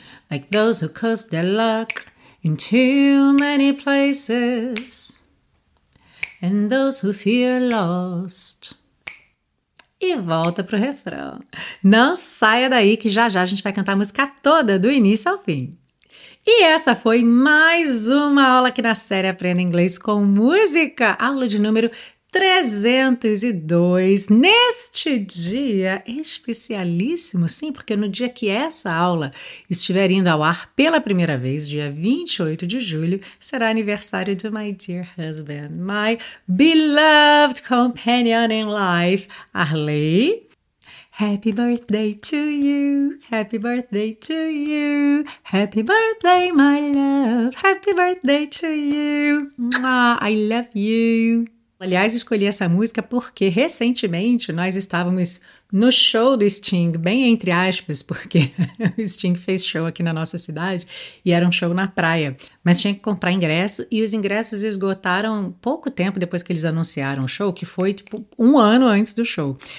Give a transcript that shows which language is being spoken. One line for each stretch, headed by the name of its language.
English: Like those who curse their luck in too many places and those who fear lost.
Portuguese: E volta pro refrão. Não saia daí que já já a gente vai cantar a música toda do início ao fim. E essa foi mais uma aula aqui na série Aprenda Inglês com Música, aula de número 302, neste dia especialíssimo, sim, porque no dia que essa aula estiver indo ao ar pela primeira vez, dia 28 de julho, será aniversário de my dear husband, my beloved companion in life, Arley.
English: Happy birthday to you, happy birthday to you, happy birthday, my love, happy birthday to you, I love you.
Portuguese: Aliás, escolhi essa música porque recentemente nós estávamos no show do Sting, bem entre aspas, porque o Sting fez show aqui na nossa cidade e era um show na praia, mas tinha que comprar ingresso e os ingressos esgotaram pouco tempo depois que eles anunciaram o show, que foi tipo um ano antes do show.